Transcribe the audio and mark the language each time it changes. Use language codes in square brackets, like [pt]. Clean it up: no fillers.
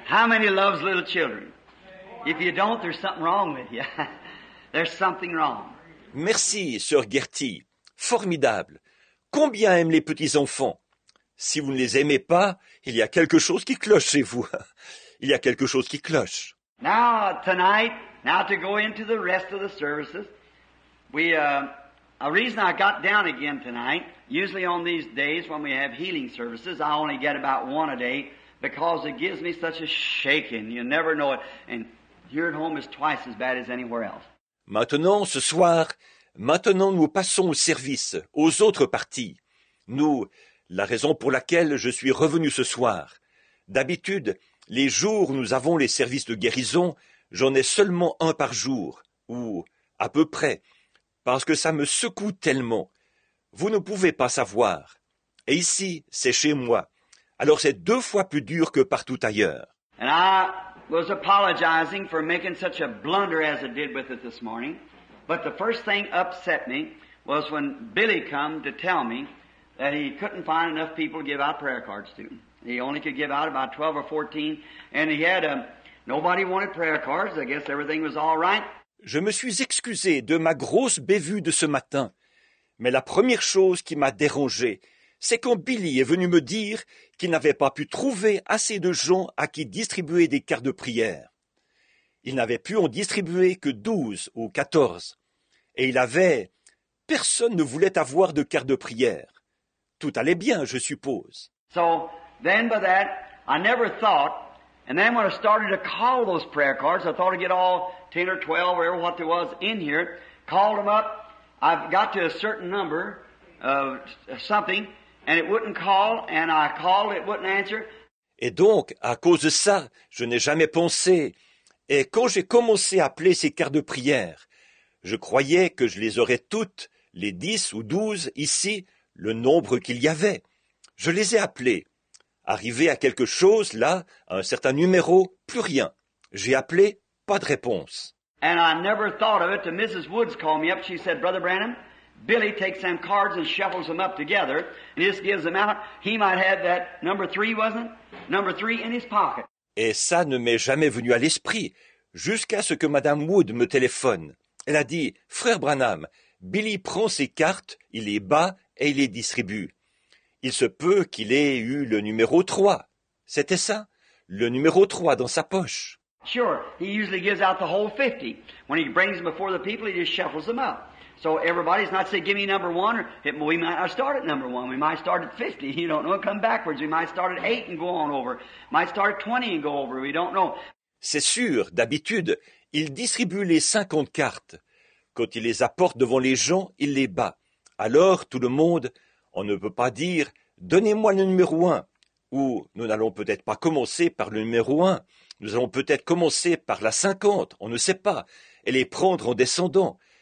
[en] How many loves little children? If you don't, there's something wrong with you. There's something wrong. [fr] Merci, Sœur Gertie. Formidable. Combien aiment les petits enfants? Si vous ne les aimez pas, il y a quelque chose qui cloche chez vous. Il y a quelque chose qui cloche. [en] Now, tonight, now to go into the rest of the services, a reason I got down again tonight, usually on these days when we have healing services, I only get about one a day, because it gives me such a shaking, you never know it. And here at home is twice as bad as anywhere else. [fr] Maintenant, ce soir, maintenant nous passons au service, aux autres parties. Nous, la raison pour laquelle je suis revenu ce soir. D'habitude, les jours où nous avons les services de guérison, j'en ai seulement un par jour, ou à peu près, parce que ça me secoue tellement. Vous ne pouvez pas savoir. Et ici, c'est chez moi. Alors c'est deux fois plus dur que partout ailleurs. [en] And I was apologizing for making such a blunder as I did with it this morning. But the first thing upset me was when Billy came to tell me that he couldn't find enough people to give out prayer cards to. He only could give out about 12 or 14. And he had nobody wanted prayer cards. I guess everything was all right. [fr] Je me suis excusé de ma grosse bévue de ce matin. Mais la première chose qui m'a dérangé, c'est quand Billy est venu me dire qu'il n'avait pas pu trouver assez de gens à qui distribuer des cartes de prière. Il n'avait pu en distribuer que 12 ou 14. Et il avait... Personne ne voulait avoir de cartes de prière. Tout allait bien, je suppose. [en] So, then by that, I never thought, and then when I started to call those prayer cards, I thought I'd get all 10 or 12 or what there was in here, called them up, I've got to a certain number of something, and it wouldn't call, and I called, it wouldn't answer. [fr] Et donc, à cause de ça, je n'ai jamais pensé. Et quand j'ai commencé à appeler ces cartes de prière, je croyais que je les aurais toutes, les 10 ou 12 ici, le nombre qu'il y avait. Je les ai appelées. Arrivé à quelque chose, là, à un certain numéro, plus rien. J'ai appelé, pas de réponse. [en] And I never thought of it till Mrs. Woods called me up. She said, Brother Branham, Billy takes them cards and shuffles them up together and just gives them out. He might have that number three, wasn't it? Number three in his pocket. [fr] Et ça ne m'est jamais venu à l'esprit, jusqu'à ce que Madame Wood me téléphone. Elle a dit, Frère Branham, Billy prend ses cartes, il les bat et il les distribue. Il se peut qu'il ait eu le numéro 3. C'était ça, le numéro 3 dans sa poche. [en] Sure, he usually gives out the whole 50. When he brings them before the people, he just shuffles them up. So everybody's not saying, give me number one, or it, we might not start at number one, we might start at 50, you don't know, come backwards, we might start at 8 and go on over, we might start at 20 and go over, we don't know. [fr] C'est sûr, d'habitude, il distribue les 50 cartes. Quand il les apporte devant les gens, il les bat. Alors, tout le monde, on ne peut pas dire, donnez-moi le numéro 1, ou nous n'allons peut-être pas commencer par le numéro 1, nous allons peut-être commencer par la 50, on ne sait pas, et les prendre en descendant.